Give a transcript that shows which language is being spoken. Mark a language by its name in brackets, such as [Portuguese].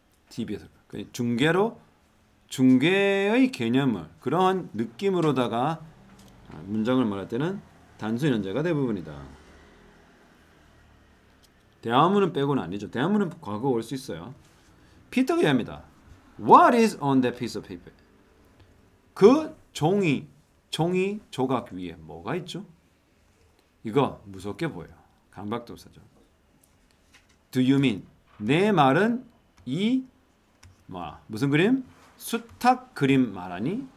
[Korean] TV에서 중계로 중계의 개념을 그러한 느낌으로다가 문장을 말할 때는 단순 현재가 대부분이다. 대화문은 빼고는 아니죠. 대화문은 과거 올 수 있어요. 피터가 얘기합니다. [English] What is on that piece of paper? [Korean] 그 종이 조각 위에 뭐가 있죠? 이거 무섭게 보여요. 강박동사죠. [English] Do you mean? [Korean] 내 말은 이 뭐 무슨 그림? 수탉 그림 말하니?